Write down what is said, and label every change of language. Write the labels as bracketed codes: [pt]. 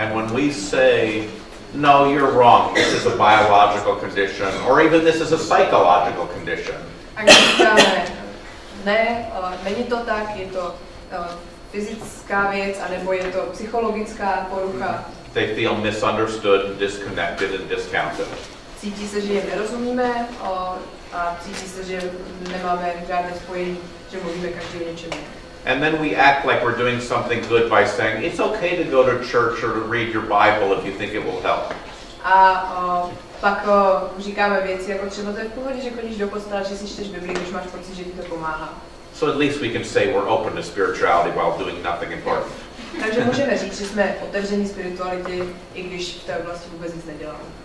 [en] And when we say, no, you're wrong, this is a biological condition, or even this is a psychological condition. [cs] A když říkáme, ne, není to tak, je to fyzická věc, anebo je to psychologická porucha. [en] They feel misunderstood, disconnected, and discounted. [cs] Cítí se, že je nerozumíme, a cítí se, že nemáme žádné spojení, že mluvíme každý o něčem. [en] And then we act like we're doing something good by saying, it's okay to go to church or to read your Bible if you think it will help. [cs] A pak říkáme věci, jako třeba to je v pohodě, že chodíš do kostela, že si čteš Bibli, když máš pocit, že ti to pomáhá. [en] So at least we can say we're open to spirituality while doing nothing important. [cs] Takže můžeme říct, že jsme otevření spirituality, i když v té oblasti vůbec nic neděláme.